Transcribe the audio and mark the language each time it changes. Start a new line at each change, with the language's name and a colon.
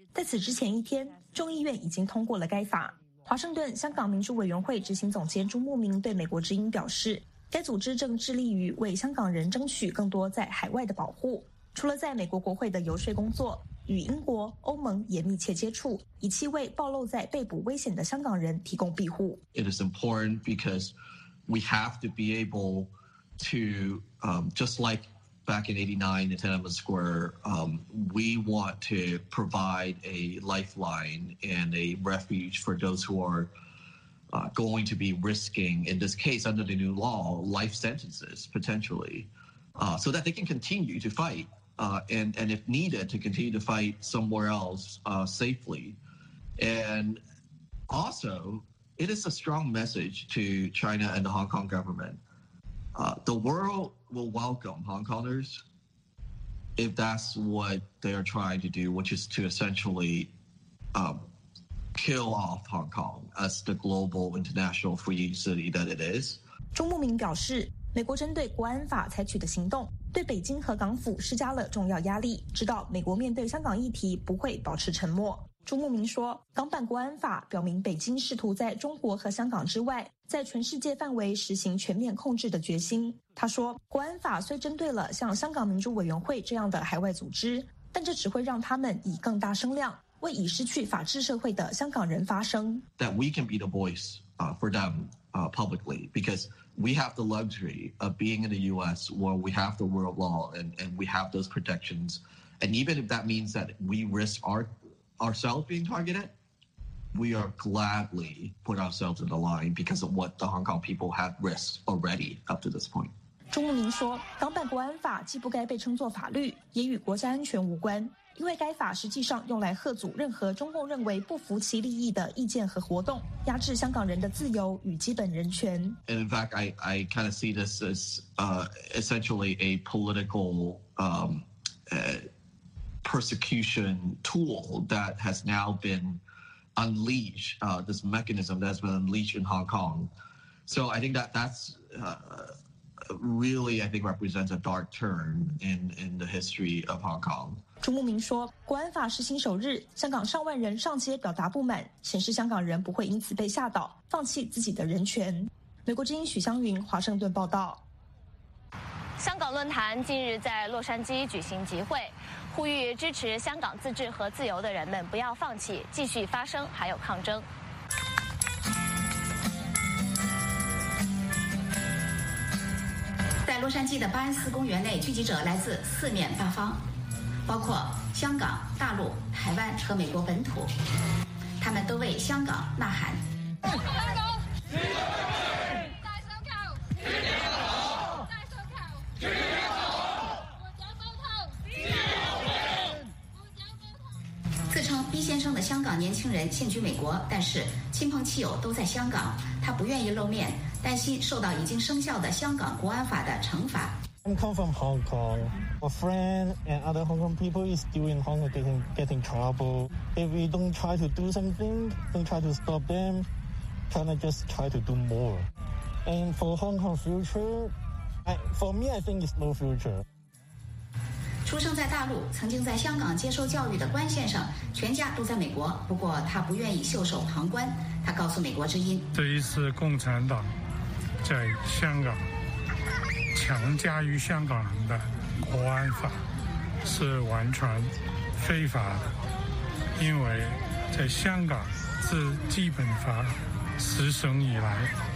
Chinese: 在此之前一天，众议院已经通过了该法。华盛顿香港民主委员会执行总监朱慕明对美国之音表示，该组织正致力于为香港人争取更多在海外的保护。除了在美国国会的游说工作，与英国、欧盟也密切接触，以期为暴露在被捕危险的香港人提供庇护。
English: It is important becauseWe have to be able to, just like back in 89 in Tiananmen Square, we want to provide a lifeline and a refuge for those who are going to be risking, in this case under the new law, life sentences potentially, so that they can continue to fight and if needed to continue to fight somewhere else safely. And also, It is a strong message to China and the Hong Kong government. The world will welcome Hong Kongers if that's what they are trying to do, which is to essentially kill off Hong Kong as the global international free city that it is.
Chinese: 中牧民表示，美国针对国安法采取的行动对北京和港府施加了重要压力，知道美国面对香港议题不会保持沉默。朱慕明说，港版国安法表明北京试图在中国和香港之外在全世界范围实行全面控制的决心。他说，国安法虽针对了像香港民主委员会这样的海外组织，但这只会让他们以更大声量为已失去法治社会的香港人发声。
English: That we can be the voice for them publicly, because we have the luxury of being in the US where we have the rule of law and we have those protections, and even if that means that we risk ourselves being targeted, we are gladly put ourselves in the line because of what the Hong Kong people have risked already up to this point.
Chinese: 钟明说，港版国安法既不该被称作法律，也与国家安全无关，因为该法实际上用来吓阻任何中共认为不服其利益的意见和活动，压制香港人的自由与基本人权。
English: And in fact, I kind of see this as essentially a political persecution tool that has now been unleashed, this mechanism that has been unleashed in Hong Kong. So I think that's really, I think, represents a dark turn in the history of Hong Kong.
Chinese: 朱慕明说，国安法实行首日，香港上万人上街表达不满，显示香港人不会因此被吓倒，放弃自己的人权。美国之音许湘云，华盛顿报道。香港论坛近日在洛杉矶举行集会，呼吁支持香港自治和自由的人们不要放弃，继续发声还有抗争。在洛杉矶的巴恩斯公园内，聚集者来自四面八方，包括香港、大陆、台湾和美国本土，他们都为香港呐喊。先生的香港年轻人现居美国，但是亲朋戚友都在香港，他不愿意露面，担心受到已经生效的香港国安法的惩罚。
English: I'm come from Hong Kong. A friend and other Hong Kong people is still in Hong Kong getting trouble. If we don't try to do something, don't try to stop them, China just try to do more. And for Hong Kong future, I think it's no future.
Chinese: 出生在大陆，曾经在香港接受教育的关先生，全家都在美国，不过他不愿意袖手旁观。他告诉美国之音，这一次共产党在香港强加于香港人的国安法是完全非法的，因为在香港自基本法实行以来，